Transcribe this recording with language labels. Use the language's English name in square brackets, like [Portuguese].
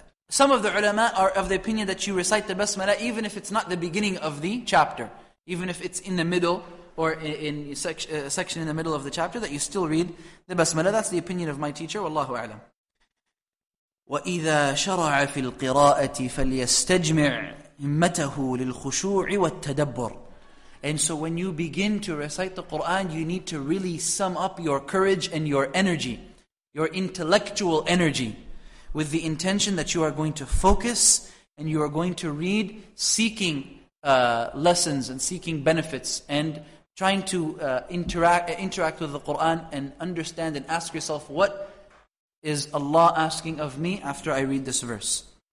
[English] Some of the ulama are of the opinion that you recite the basmala even if it's not the beginning of the chapter, even if it's in the middle or in a section in the middle of the chapter, that you still read the basmala. That's the opinion of my teacher, Wallahu A'lam. [Arabic] وإذا شرع في القراءة فليستجمع همته للخشوع والتدبر. [English] And so when you begin to recite the Quran, you need to really sum up your courage and your energy, your intellectual energy, with the intention that you are going to focus and you are going to read, seeking lessons and seeking benefits and trying to interact with the Quran and understand and ask yourself what is Allah asking of me after I read this verse.